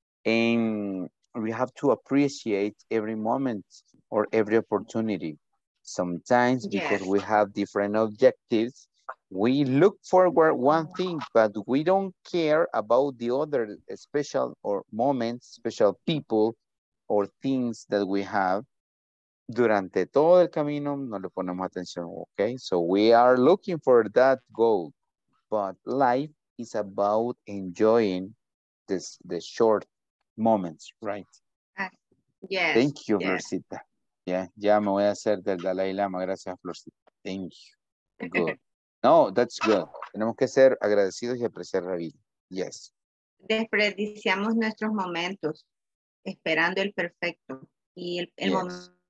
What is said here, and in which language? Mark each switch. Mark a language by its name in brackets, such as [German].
[English] And we have to appreciate every moment or every opportunity. Sometimes because yes. We have different objectives, we look forward one thing, but we don't care about the other special or moments, special people or things that we have. [Spanish] Durante todo el camino, no le ponemos atención, okay? [English] So we are looking for that goal. But life is about enjoying this the short moments, right? Yes. Thank you, Florcita. [Spanish] Yeah, ya me voy a hacer del Dalai Lama. Gracias, Florcita. [English] Thank you. Good. No, that's good. [Spanish] Tenemos que ser agradecidos y apreciar la vida. [English] Yes. [Spanish] Desperdiciamos nuestros momentos esperando el perfecto. Y el yes.